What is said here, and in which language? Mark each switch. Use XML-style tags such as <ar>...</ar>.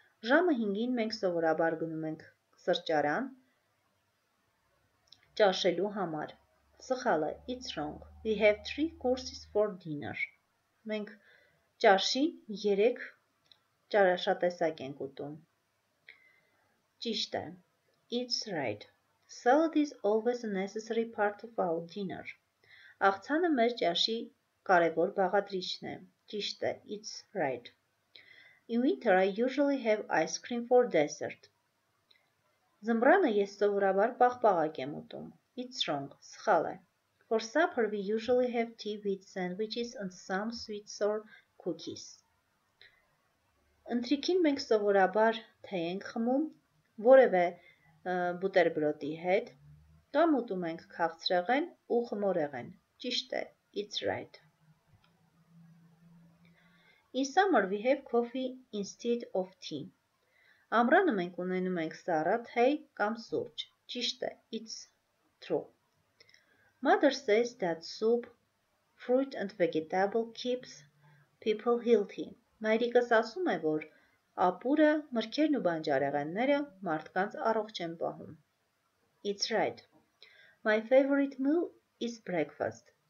<hy>Ժամը 5-ին մենք սովորաբար գնում ենք սրճարան ճաշելու համար. Սխալը,</hy> <en>it's wrong. We have 3 courses for dinner.</en> <hy>Մենք ճաշին 3 ճարաշատեսակ ենք ուտում. Ճիշտ է.</hy> <en>It's right. Salad is always a necessary part of our dinner.</en> <hy>Աղցանը մեր ճաշի կարևոր բաղադրիչն է. Ճիշտ է,</hy> <en>it's right. In winter, I usually have ice cream for dessert.</en> <hy>Զմբրանը ես սովորաբար պաղպաղակ եմ ուտում.</hy> <en>It's wrong.</en> <hy>Սխալ է.</hy> <en>For supper, we usually have tea with sandwiches and some sweet sour cookies.</en> <hy>Ընթրիքին մենք սովորաբար թեյ ենք խմում, որևէ բուտերբրոդի հետ, կամ ուտում ենք քաղցրեղեն ու խմորեղեն. Ճիշտ է.</hy> <en>It's right. In summer, we have coffee instead of tea.</en> <hy>Ամռանը մենք ունենում ենք սառը թեյ կամ սուրճ. Ճիշտ է.</hy> <en>It's true. Mother says that soup, fruit and vegetable keeps people healthy.</en> <hy>Մայրիկս ասում է, որ ապուրը, մրգերն ու բանջարեղենները մարդկանց առողջ են պահում.</hy> <en>It's right. My favorite meal is breakfast.</en>